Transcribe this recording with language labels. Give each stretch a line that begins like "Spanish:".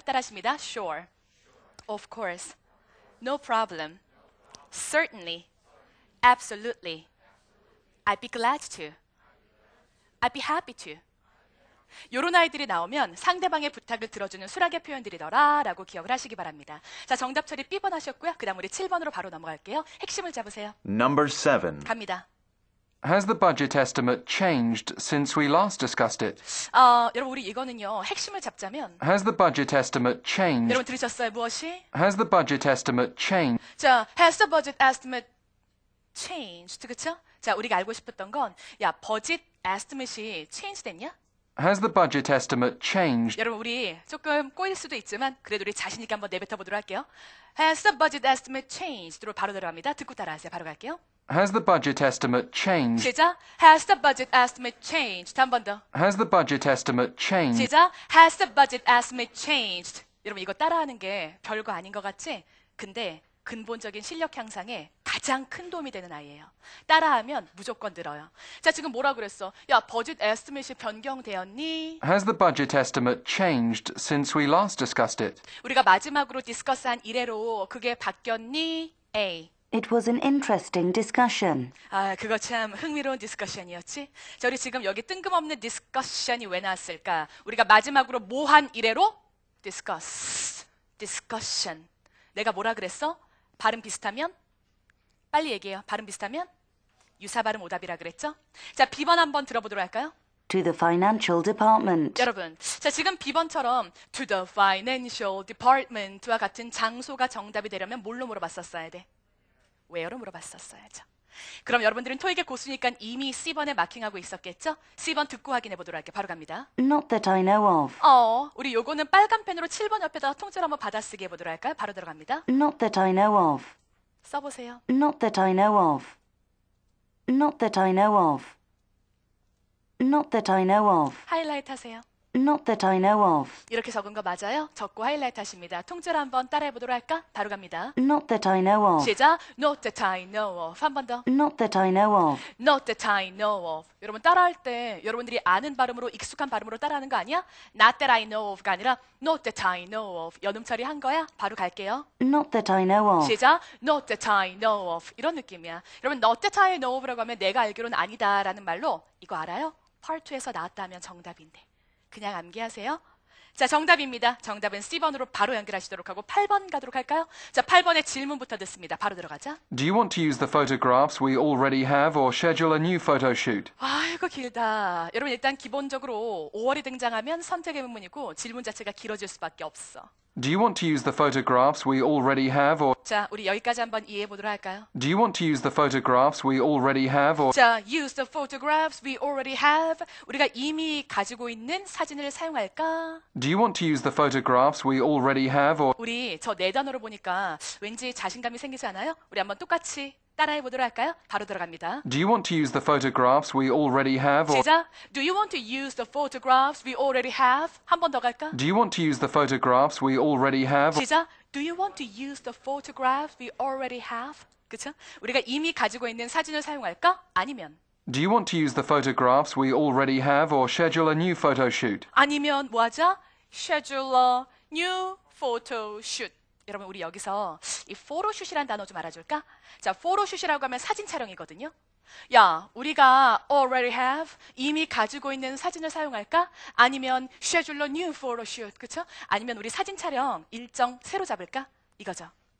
Korean: 따라하십니다.
English: Sure. Of course. No problem. Certainly. Absolutely. I'd be glad to. I'd be happy to.
Korean: 요런 아이들이 나오면 상대방의 부탁을 들어주는 수락의 표현들이더라라고 기억을 하시기 바랍니다. 자, 정답 처리 B번 하셨고요. 그다음 우리 7번으로 바로 넘어갈게요. 핵심을 잡으세요.
English: Number 7.
Korean: 갑니다.
English: Has the budget estimate changed since we last discussed it?
Korean: 여러분 우리 이거는요 핵심을 잡자면
English: Has the budget estimate changed?
Korean: 여러분 들으셨어요 무엇이?
English: Has the budget estimate changed? 자, has the budget estimate changed?
Korean: 그렇죠? 자, 우리가 알고 싶었던 건 야, budget estimate이 changed 됐냐?
English: Has the budget estimate changed?
Korean: 여러분 우리 조금 꼬일 수도 있지만 그래도 우리 자신 있게 한번 내뱉어 보도록 할게요.
English: Has the budget estimate changed?
Korean: 바로 들어갑니다. 듣고 따라하세요. 바로 갈게요.
English: Has the budget estimate changed?
Korean: 시작.
English: Has the budget estimate changed?
Korean: 한 번 더.
English: Has the budget estimate changed?
Korean: 시작.
English: Has the budget estimate changed?
Korean: 여러분 이거 따라하는 게 별거 아닌 것 같지? 근데 근본적인 실력 향상에 가장 큰 도움이 되는 아이예요. 따라하면 무조건 늘어요. 자, 지금 뭐라 그랬어? 야, budget estimate이 변경되었니?
English: Has the budget estimate changed since we last discussed it?
Korean: 우리가 마지막으로 디스커스한 이래로 그게 바뀌었니?
English: A. It was an interesting discussion.
Korean: 아, 그거 참 흥미로운 디스커션이었지. 자, 우리 지금 여기 뜬금없는 디스커션이 왜 나왔을까? 우리가 마지막으로 뭐 한 이래로?
English: Discuss. Discussion.
Korean: 내가 뭐라 그랬어? 발음 비슷하면? 빨리 얘기해요. 발음 비슷하면? 유사 발음 오답이라 그랬죠? 자, B번 한번 들어보도록 할까요?
English: To the financial department.
Korean: 여러분, 자, 지금 B번처럼
English: to the financial department
Korean: 와 같은 장소가 정답이 되려면 뭘로 물어봤었어야 돼? 왜요로 물어봤었어야죠. 그럼 여러분들은 토익의 고수니까 이미 C번에 마킹하고 있었겠죠? C번 듣고 확인해 보도록 할게요. 바로 갑니다.
English: Not that I know of.
Korean: 우리 요거는 빨간 펜으로 7번 옆에다 통째로 한번 받아쓰기 해보도록 할까요? 바로 들어갑니다.
English: Not that I know of.
Korean: 써보세요.
English: Not that I know of. Not that I know of. Not that I know of.
Korean: 하이라이트 하세요.
English: Not that I know of.
Korean: 이렇게 적은 거 맞아요? 적고 하이라이트 하십니다. 통째로 한번 따라해보도록 할까? 바로 갑니다.
English: Not that I know of.
Korean: 시작!
English: Not that I know of.
Korean: 한 번 더.
English: Not that I know of. Not that I know of.
Korean: 여러분, 따라할 때 여러분들이 아는 발음으로, 익숙한 발음으로 따라하는 거 아니야?
English: Not that I know of
Korean: 가 아니라
English: Not that I know of.
Korean: 연음 처리한 거야? 바로 갈게요.
English: Not that I know of.
Korean: 시작!
English: Not that I know of.
Korean: 이런 느낌이야. 여러분, Not that I know of라고 하면 내가 알기로는 아니다 라는 말로, 이거 알아요? Part 2에서 나왔다면 정답인데. 그냥 암기하세요. 자, 정답입니다. 정답은 C번으로 바로 연결하시도록 하고 8번 가도록 할까요? 자, 8번의 질문부터 듣습니다. 바로 들어가자.
English: Do you want to use the photographs we already have or schedule a new photo shoot?
Korean: 아, 이거 길다. 여러분, 일단 기본적으로 5월이 등장하면 선택의 문문이고 질문 자체가 길어질 수밖에 없어.
English: Do you want to use the photographs we already have or
Korean: 자, 우리 여기까지 한번 이해해 보도록 할까요?
English: Do you want to use the photographs we already have or 자, use the photographs we already have.
Korean: 우리가 이미 가지고 있는 사진을 사용할까?
English: Do you want to use the photographs we already have or
Korean: 우리 저 네 단어로 보니까 왠지 자신감이 생기지 않아요? 우리 한번 똑같이 따라해 보도록 할까요? 바로 들어갑니다.
English: Do you want to use the photographs we already have?
Korean: 시작.
English: Do you want to use the photographs we already have?
Korean: 한 번 더 갈까?
English: Do you want to use the photographs we already have?
Korean: 시작.
English: Do you want to use the photographs we already have?
Korean: 그쵸? 우리가 이미 가지고 있는 사진을 사용할까? 아니면?
English: Do you want to use the photographs we already have or schedule a new photo shoot?
Korean: 아니면 뭐 하자?
English: Schedule a new photo shoot.
Korean: 여러분, 우리 여기서 이 포토슛이라는 단어 좀 알아줄까? 자, 포토슛이라고 하면 사진 촬영이거든요. 야, 우리가
English: already have,
Korean: 이미 가지고 있는 사진을 사용할까? 아니면
English: schedule a new photo shoot,
Korean: 그쵸? 아니면 우리 사진 촬영 일정 새로 잡을까? 이거죠.